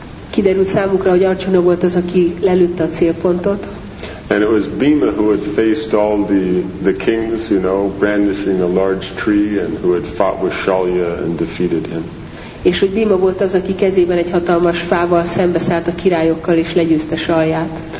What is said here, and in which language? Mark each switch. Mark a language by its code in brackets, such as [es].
[hu] Kiderült számukra, hogy Arjuna volt az, aki lelőtte a célpontot. [en] And it was Bhima who had faced all the kings, you know, brandishing a large tree, and who had fought with Shalya and defeated him. [hu] És hogy Bhima volt az, aki kezében egy hatalmas fával szembeszállt a királyokkal és legyőzte Shalyát.